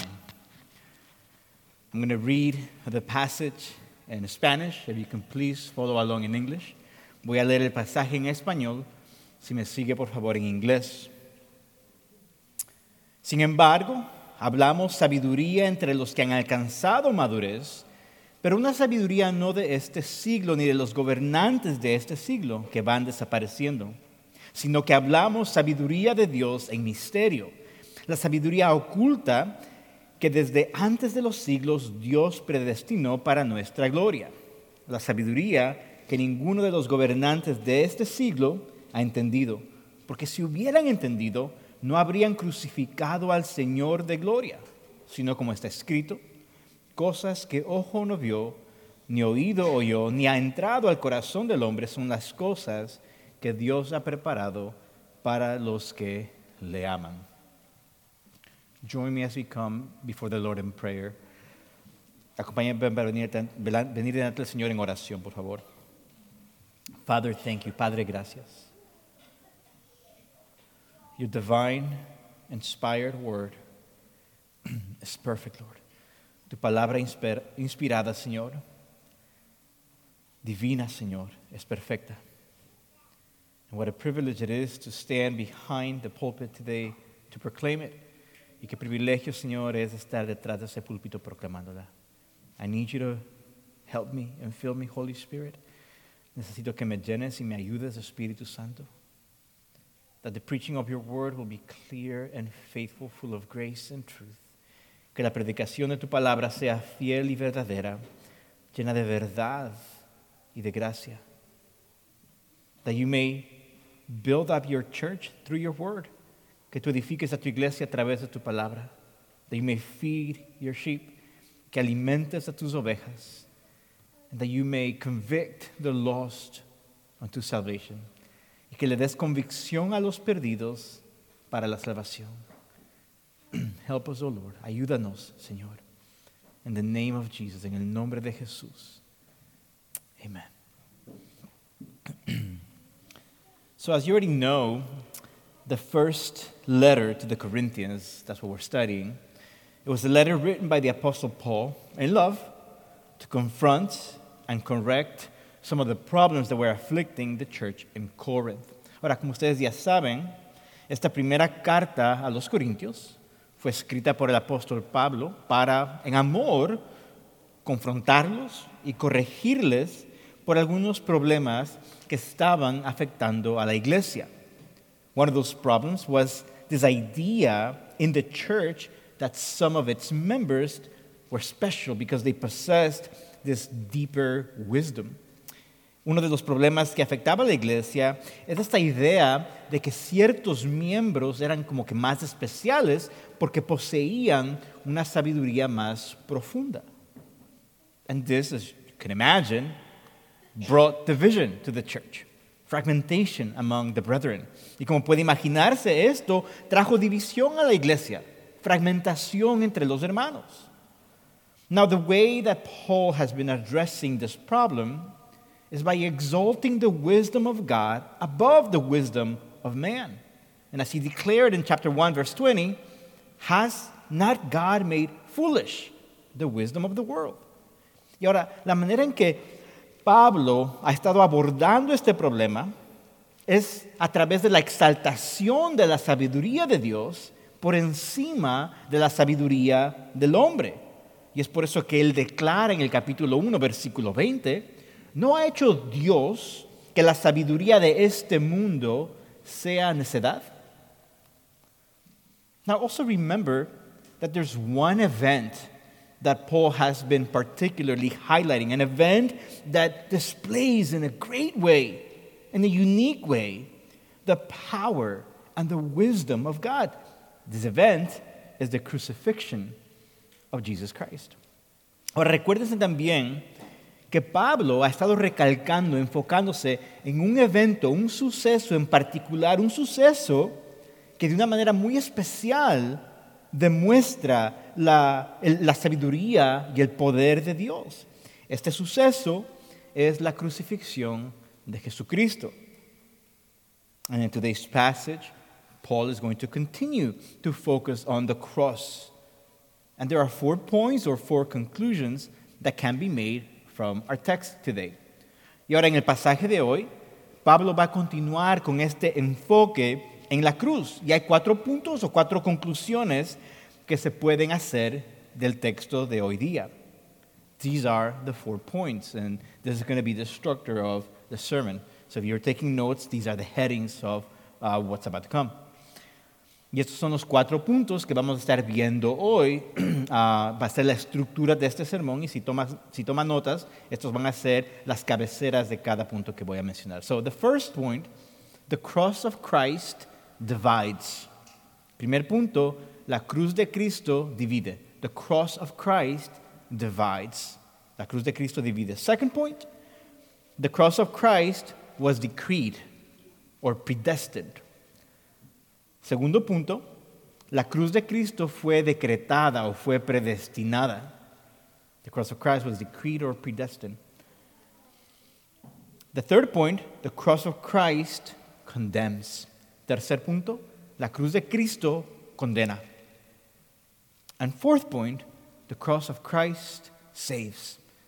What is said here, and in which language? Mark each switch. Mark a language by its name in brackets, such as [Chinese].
[English] I'm going to read the passage in Spanish, if you can please follow along in English. [Spanish] Voy a leer el pasaje en español, si me sigue por favor en inglés. Sin embargo, hablamos sabiduría entre los que han alcanzado madurez, pero una sabiduría no de este siglo ni de los gobernantes de este siglo que van desapareciendo, sino que hablamos sabiduría de Dios en misterio, la sabiduría oculta que desde antes de los siglos Dios predestinó para nuestra gloria. La sabiduría que ninguno de los gobernantes de este siglo ha entendido, porque si hubieran entendido, no habrían crucificado al Señor de gloria, sino como está escrito, cosas que ojo no vio, ni oído oyó, ni ha entrado al corazón del hombre son las cosas que Dios ha preparado para los que le aman. [English] Join me as we come before the Lord in prayer. [Spanish] Acompáñenme para venir delante del Señor en oración, por favor. [English] Father, thank you. [Spanish] Padre, gracias. [English] Your divine, inspired word is perfect, Lord. [Spanish] Tu palabra inspirada, Señor, divina, Señor, es perfecta. [English] And what a privilege it is to stand behind the pulpit today to proclaim it. [Spanish] Y qué privilegio, Señor, es estar detrás de ese púlpito proclamándola. [English] I need you to help me and fill me, Holy Spirit. [Spanish] Necesito que me llenes y me ayudes, Espíritu Santo. [English] That the preaching of your word will be clear and faithful, full of grace and truth. [Spanish] Que la predicación de tu palabra sea fiel y verdadera, llena de verdad y de gracia. [English] That you may build up your church through your word. [Spanish] Que tú edifiques a tu iglesia a través de tu palabra. [English] That you may feed your sheep. [Spanish] Que alimentes a tus ovejas. [English] And that you may convict the lost unto salvation. [Spanish] Y que le des convicción a los perdidos para la salvación. [English] Help us, O Lord. [Spanish] Ayúdanos, Señor. [English] In the name of Jesus, [Spanish] en el nombre de Jesús. [English] Amen. So as you already know, the first letter to the Corinthians, that's what we're studying, it was a letter written by the Apostle Paul in love to confront and correct some of the problems that were afflicting the church in Corinth. [Spanish] Ahora, como ustedes ya saben, esta primera carta a los Corintios fue escrita por el apóstol Pablo para, en amor, confrontarlos y corregirles por algunos problemas que estaban afectando a la iglesia. [English] One of those problems was this idea in the church that some of its members were special because they possessed this deeper wisdom. [Spanish] Uno de los problemas que afectaba a la iglesia es esta idea de que ciertos miembros eran como que más especiales porque poseían una sabiduría más profunda. [English] And this, as you can imagine, brought division to the church. Fragmentation among the brethren. [Spanish] Y como puede imaginarse, esto trajo división a la iglesia. Fragmentación entre los hermanos. [English] Now, the way that Paul has been addressing this problem is by exalting the wisdom of God above the wisdom of man. And as he declared in chapter 1, verse 20, has not God made foolish the wisdom of the world? [Spanish] Y ahora, la manera en que Pablo ha estado abordando este problema es a través de la exaltación de la sabiduría de Dios por encima de la sabiduría del hombre. Y es por eso que él declara en el capítulo 1, versículo 20, no ha hecho Dios que la sabiduría de este mundo sea necedad. [English] Now also remember that there's one event that Paul has been particularly highlighting, an event that displays in a great way, in a unique way, the power and the wisdom of God. This event is the crucifixion of Jesus Christ. [Spanish] Ahora, recuérdense también que Pablo ha estado recalcando, enfocándose en un evento, un suceso en particular, un suceso que de una manera muy especial demuestra la sabiduría y el poder de Dios. Este suceso es la crucifixión de Jesucristo. [English] And in today's passage, Paul is going to continue to focus on the cross. And there are four points or four conclusions that can be made from our text today. [Spanish] Y ahora en el pasaje de hoy, Pablo va a continuar con este enfoque en la cruz. Y hay cuatro puntos o cuatro conclusiones que se pueden hacer del texto de hoy día. [English] These are the four points, and this is going to be the structure of the sermon. So if you're taking notes, these are the headings of what's about to come. [Spanish] Y estos son los cuatro puntos que vamos a estar viendo hoy. Va a ser la estructura de este sermón, y si toma notas, estos van a ser las cabeceras de cada punto que voy a mencionar. [English] So the first point, the cross of Christ divides. [Spanish] Primer punto, la cruz de Cristo divide. [English] The cross of Christ divides. [Spanish] La cruz de Cristo divide. [English] Second point, the cross of Christ was decreed or predestined. [Spanish] Segundo punto, la cruz de Cristo fue decretada o fue predestinada. [English] The cross of Christ was decreed or predestined. The third point, the cross of Christ condemns. [Spanish] Tercer punto, la cruz de Cristo condena. [English] And fourth point, the cross of Christ saves.